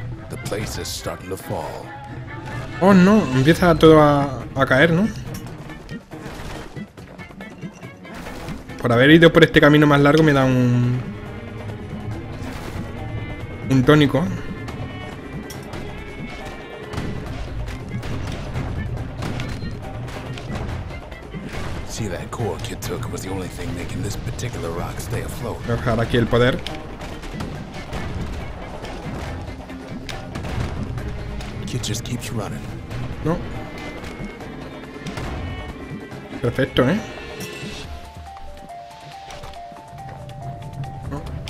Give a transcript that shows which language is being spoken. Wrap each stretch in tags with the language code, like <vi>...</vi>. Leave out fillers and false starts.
<en>The place is starting to fall.</en> <es>Oh no, empieza todo a caer, ¿no? Por haber ido por este camino más largo me da un tónico.</es> <en>See that core kid took was the only thing making this particular rock stay afloat.</en> <es>Voy a dejar aquí el poder.</es> <en>It just keeps running.</en> <es>No. Perfecto, No.</es>